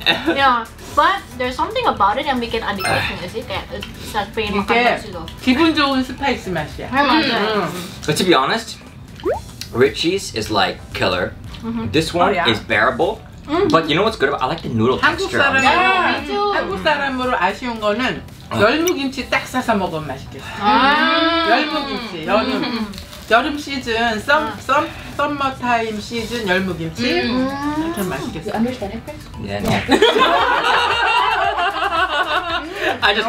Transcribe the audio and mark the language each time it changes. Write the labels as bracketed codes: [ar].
[en] Yeah, but there's something about it that make it addictive, is it? That it's [ko] 이게 기분 좋은 스파이스 맛이야. 맞아. [en] But to be honest, Richie's is like killer. This one is bearable. But you know what's good about? I like the noodle texture. [ko] 한국 사람, [en] yeah, [ko] 한국 사람으로 아쉬운 거는. 열무김치 딱 싸서 먹으면 맛있겠어. 열무김치, 여름. 여름 시즌, 썸머타임 시즌 열무김치. 참 맛있겠어. [en] You understand it, Chris? Yeah, no. I just